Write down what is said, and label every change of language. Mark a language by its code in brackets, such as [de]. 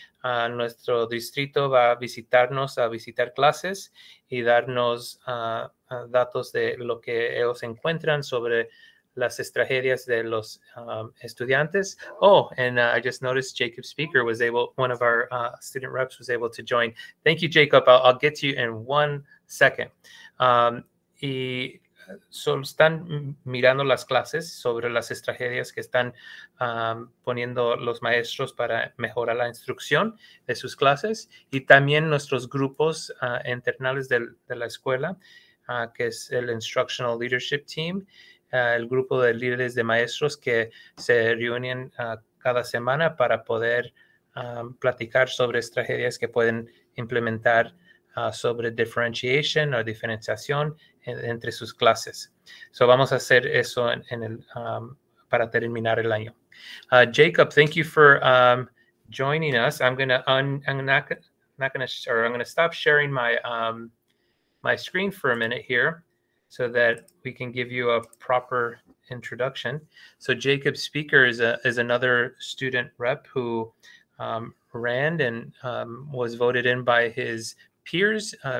[es] Nuestro distrito va a visitarnos, a visitar clases y darnos datos de lo que ellos encuentran sobre las estrategias de los estudiantes. [en] Oh, and I just noticed Jacob Speaker was able, one of our student reps was able to join. Thank you, Jacob. I'll get to you in 1 second. [es] Y solo están mirando las clases sobre las estrategias que están poniendo los maestros para mejorar la instrucción de sus clases y también nuestros grupos internales de la escuela, que es el Instructional Leadership Team, el grupo de líderes de maestros que se reúnen cada semana para poder platicar sobre estrategias que pueden implementar sobre differentiation o diferenciación entre sus clases. So vamos a hacer eso para terminar el año. [en] Jacob, thank you for joining us. I'm gonna stop sharing my my screen for a minute here so that we can give you a proper introduction. So Jacob Speaker is another student rep who ran and was voted in by his peers.